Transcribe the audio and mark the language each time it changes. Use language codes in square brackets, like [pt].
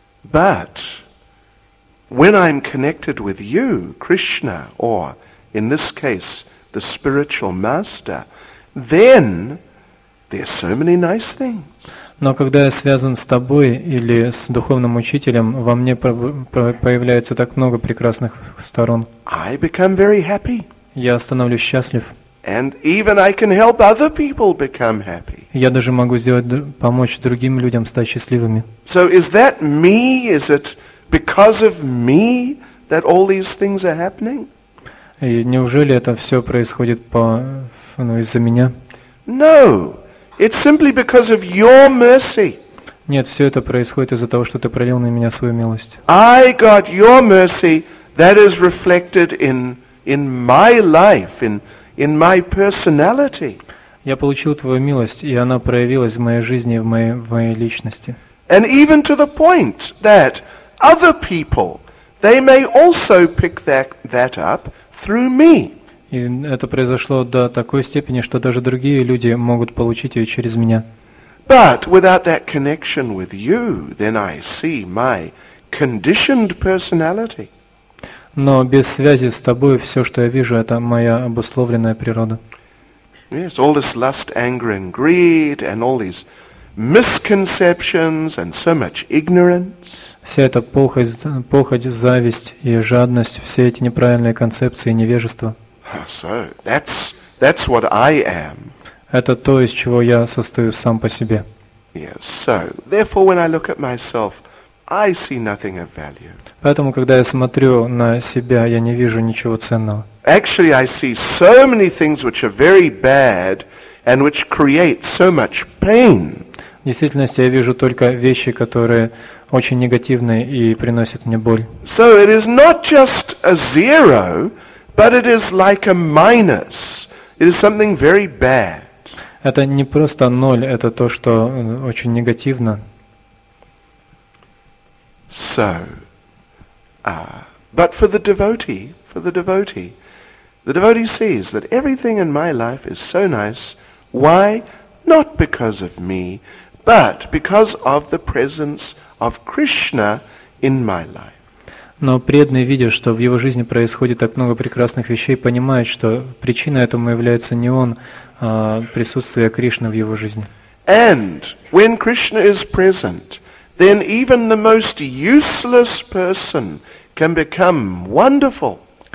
[en] But when I'm connected with you, Krishna, or in this case, the spiritual master, then there are so many nice things. [ru] Но когда я связан с тобой или с духовным учителем, во мне появляется так много прекрасных сторон. [en] I become very happy. [ru] Я становлюсь счастлив. [en] And even I can help other people become happy. [ru] Я даже могу сделать, помочь другим людям стать счастливыми. [en] So is that me? Is it because of me that all these things are happening? [ru] И неужели это все происходит из-за меня? [en] No. It's simply because of your mercy. [ru] Нет, все это происходит из-за того, что ты пролил на меня свою милость. [en] I got your mercy that is reflected in my life, in my personality. [ru] Я получил твою милость, и она проявилась в моей жизни, в моей личности. [en] And even to the point that other people they may also pick that up through me. [ru] И это произошло до такой степени, что даже другие люди могут получить ее через меня. [en] But without that connection with you, then I see my conditioned personality. [ru] Но без связи с тобой все, что я вижу, это моя обусловленная природа. [en] Yes, all this lust, anger, and greed, and all these misconceptions, and so much ignorance. [ru] Вся эта похоть, зависть и жадность, все эти неправильные концепции и невежество. [en] So that's what I am. [ru] Это то, из чего я состою сам по себе. [en] Yes, so therefore, when I look at myself, I see nothing of value. [ru] Поэтому, когда я смотрю на себя, я не вижу ничего ценного. [en] Actually, I see so many things which are very bad and which create so much pain. [ru] В действительности, я вижу только вещи, которые очень негативные и приносят мне боль. [en] So it is not just a zero, but it is like a minus. It is something very bad. [ru] Это не просто ноль, это то, что очень негативно. [en] So, but for the devotee, the devotee sees that everything in my life is so nice. Why? Not because of me, but because of the presence of Krishna in my life. [ru] Но преданный видит, что в его жизни происходит так много прекрасных вещей, понимает, что причина этому является не он, а присутствие Кришны в его жизни. [en] And when Krishna is present, then even the most useless person can become wonderful.